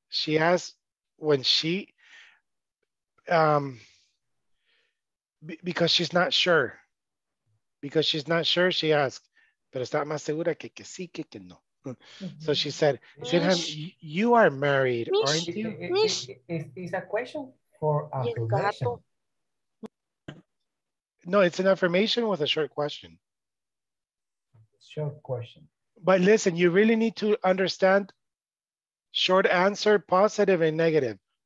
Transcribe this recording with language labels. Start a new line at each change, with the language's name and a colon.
English: She asked when she, because she's not sure. Because she's not sure, she asked.
Spanish: Pero está más segura que sí, que no.
English: So she said, Sirhan, you are married, aren't you? It's a question for affirmation. No, it's an affirmation with a short question. Short question. But listen, you really need to understand short answer, positive and negative.